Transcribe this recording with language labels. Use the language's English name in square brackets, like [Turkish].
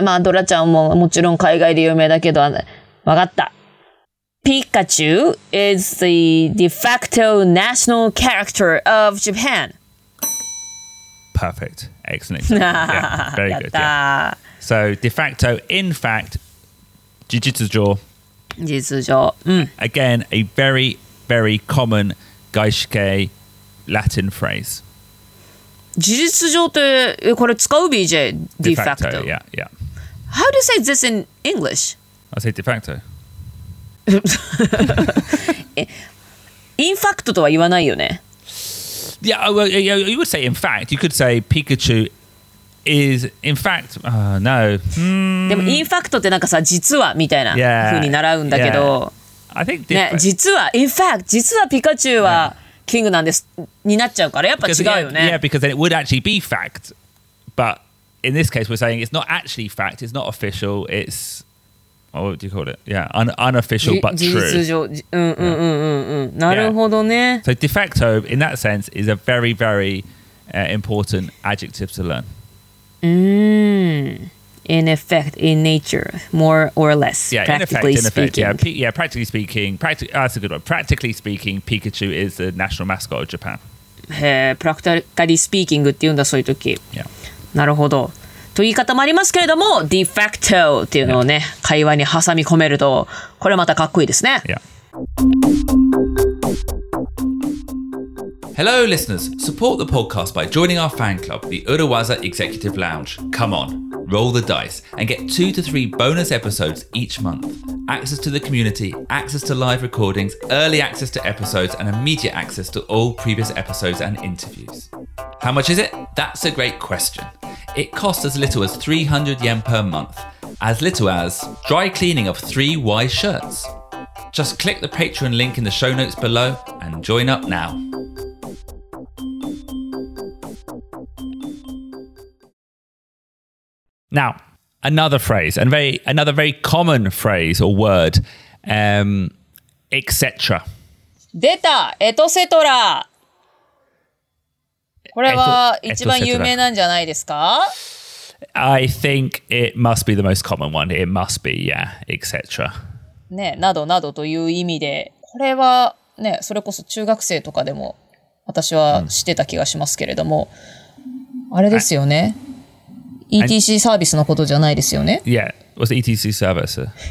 [Japanese] まあドラちゃんももちろん海外で有名だけど、わかった。 [English] Pikachu is the de facto national character of Japan. Perfect. Excellent. Yeah, very good. Yeah. So, de facto, in fact, Jujutsu Jo. Again, a very, very common 外資系 Latin phrase. [Japanese] 事実上ってこれ使う BJ? [English] De facto. Yeah, yeah. How do you say this in English? I say de facto. [Japanese] インファクトとは言わないよね。 [English] Yeah, well, you would say in fact. You could say Pikachu is in fact. No. [Japanese] でもインファクトってなんかさ、実はみたいな風に習うんだけど。 [English] Yeah. I think different. [Japanese] ね、実は [English] in fact, [Japanese] 実はピカチュウはキングなんですになっちゃうからやっぱ違うよね。 [English] Yeah, because then it would actually be fact. But in this case, we're saying it's not actually fact. It's not official. It's Oh, what do you call it? Yeah, unofficial but true. [Japanese] 事実上、なるほどね。Yeah. [English] So de facto, in that sense, is a very, very、important adjective to learn. In effect, in nature, more or less, yeah, practically in effect, speaking. That's a good word. Practically speaking, Pikachu is the national mascot of Japan. Practically speaking [Japanese] って言うんだ、そういう時。 [English] Yeah. [Japanese] なるほど。という言い方もありますけれども、de facto っていうのをね、yeah. 会話に挟み込めると、これまたかっこいいですね。 [English] Yeah. Hello, listeners. Support the podcast by joining our fan club, the Uruwaza Executive Lounge. Come on. Roll the dice and get 2 to 3 bonus episodes each month. Access to the community, access to live recordings, early access to episodes, and immediate access to all previous episodes and interviews. How much is it? That's a great question. It costs as little as 300 yen per month, as little as dry cleaning of 3 Y shirts. Just click the Patreon link in the show notes below and join up now. Now, another phrase, and another very common phrase or word, etc. [Japanese] 出た、エトセトラ。これは一番有名なんじゃないですか？ [English] I think it must be the most common one. It must be, yeah, etc. [Japanese] ね、などなどという意味で、これはね、それこそ中学生とかでも私は知ってた気がしますけれども、あれですよね。 ETC サービスのことじゃないですよね。 [English] Yeah, what's ETC service?